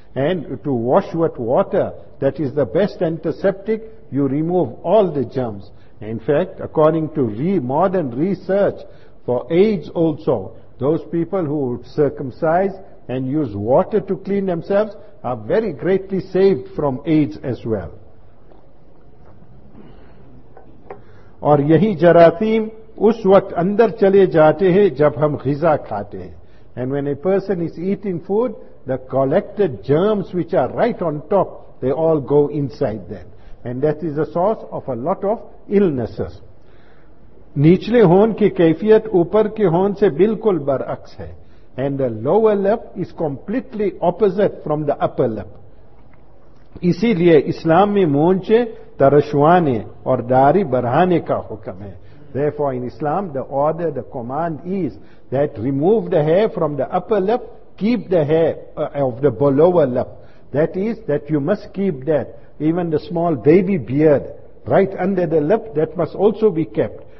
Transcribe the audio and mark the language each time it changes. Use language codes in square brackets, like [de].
[en] And to wash with water, that is the best antiseptic, you remove all the germs. In fact, according to modern research, for AIDS also, those people who circumcise and use water to clean themselves are very greatly saved from AIDS as well. [ur] اور یہی جراثیم اس وقت اندر چلے جاتے ہیں جب ہم غذا کھاتے ہیں. [en] And when a person is eating food, the collected germs which are right on top, they all go inside them. And that is the source of a lot of illnesses. [ur] نیچلے ہون کی کیفیت اوپر کے ہون سے بالکل برعکس ہے. [en] And the lower lip is completely opposite from the upper lip. [ur] اسی لیے اسلام میں مونچے ترشوانے اور داڑھی بڑھانے کا حکم ہے. [en] Therefore in Islam the order, the command is that remove the hair from the upper lip, keep the hair of the lower lip. That is that you must keep that. Even the small baby beard right under the lip, that must also be kept.